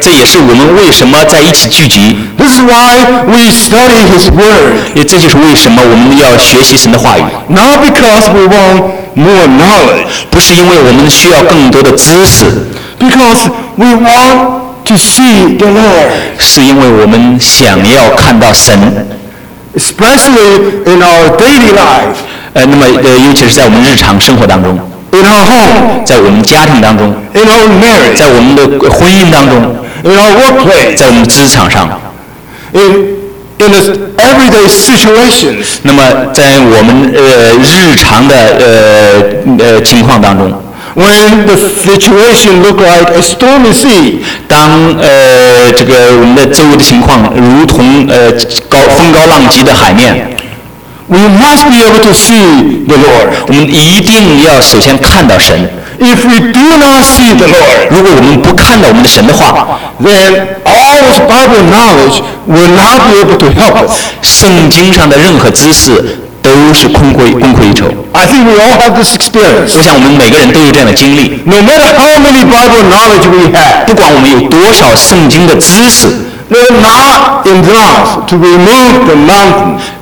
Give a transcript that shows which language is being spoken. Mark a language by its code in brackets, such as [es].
[zh] 这也是我们为什么在一起聚集。 [en] This is why we study His word. [zh] 这就是为什么我们要学习神的话语。 [en] Not because we want more knowledge. [zh] 不是因为我们需要更多的知识。 [en] Because we want to see the Lord. [zh] 是因为我们想要看到神。 [en] Especially in our daily life. [zh] 那么尤其是在我们日常生活当中 [en] in our home, [zh] 在我们家庭当中 [en] in our marriage, [zh] 在我们的婚姻当中 [en] in our workplace, [zh] 在我们职场上 [en] in the everyday situations, [zh] 那么在我们日常的情况当中 [en] when the situation look like a stormy sea, [zh] 当这个我们的周围的情况如同风高浪急的海面 [en] We must be able to see the Lord. [zh] 我们一定要首先看到神。 [en] If we do not see the Lord, [zh] 如果我们不看到我们的神的话 [en] ，then all this Bible knowledge will not be able to help us. [zh] 圣经上的任何知识都是空亏一筹。 [en] I think we all have this experience. [zh] 我想我们每个人都有这样的经历。 [en] No matter how many Bible knowledge we have, [zh] 不管我们有多少圣经的知识。 [en] They're not enough to remove the mountain.